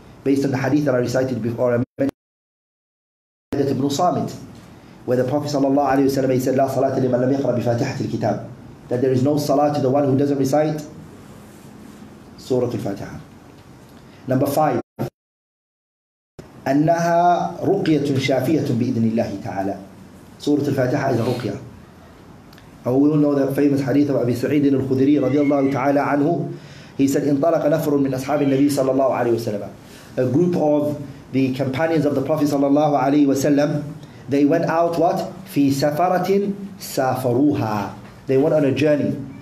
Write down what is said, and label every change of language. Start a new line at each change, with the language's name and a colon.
English: Based on the hadith that I recited before, I mentioned Ibn Samit, where the Prophet sallallahu alaihi wasallam said,
Arabic: لَا صَلَاةِ لِمَنْ لَمْ يَقْرَ بِفَاتِحَةِ الْكِتَابِ
English: That there is no salah to the one who doesn't recite Surah Al-Fatiha. Number five.
Arabic: أَنَّهَا رُقْيَةٌ شَافِيَةٌ بِإِذْنِ اللَّهِ تَعَالَى
English: Surah Al-Fatiha is a ruqya. And we all know the famous hadith of Abi Sa'id al-Khudri radiallahu ta'ala anhu. He said,
Arabic: إِنْطَلَقَ نَفْرٌ مِنْ أَصْحَابِ النَّبِيِّ صَلَى اللَّهُ عَلَيْهِ وَسَلَّمَ
English: A group of the companions of the Prophet صلى الله عليه وسلم, they went out what?
Arabic: فِي سَفَرَةٍ سَافَرُوهَا
English: They went on a journey.